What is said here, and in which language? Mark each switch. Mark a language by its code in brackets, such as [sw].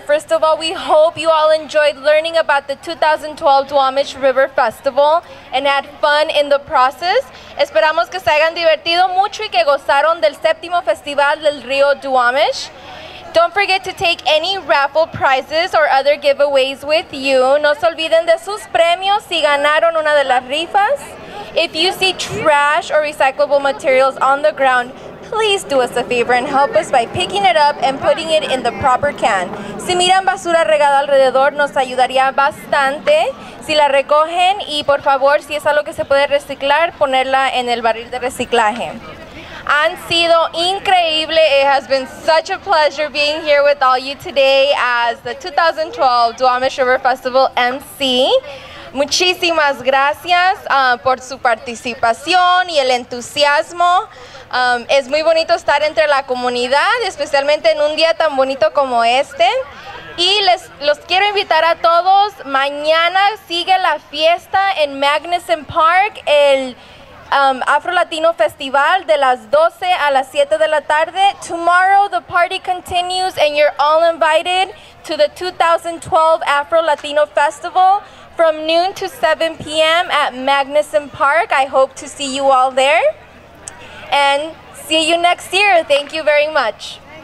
[en] First of all, we hope you all enjoyed learning about the 2012 Duwamish River Festival and had fun in the process. [es] Esperamos que se hayan divertido mucho y que gozaron del séptimo festival del río Duwamish. [en] Don't forget to take any raffle prizes or other giveaways with you. [es] No se olviden de sus premios si ganaron una de las rifas. [en] If you see trash or recyclable materials on the ground, please do us a favor and help us by picking it up and putting it in the proper can. [es] Si miran basura regada alrededor, nos ayudaría bastante. Si la recogen y por favor, si es algo que se puede reciclar, ponerla en el barril de reciclaje. Han sido increíble. [en] It has been such a pleasure being here with all you today as the 2012 Duwamish River Festival MC. [es] Muchísimas gracias por su participación y el entusiasmo. Es muy bonito estar entre la comunidad, especialmente en un día tan bonito como este. Y los quiero invitar a todos. Mañana sigue la fiesta en Magnuson Park, el Afro Latino Festival, de las 12 a las 7 de la tarde. [en] Tomorrow the party continues and you're all invited to the 2012 Afro Latino Festival from noon to 7 p.m. at Magnuson Park. I hope to see you all there. And see you next year. Thank you very much.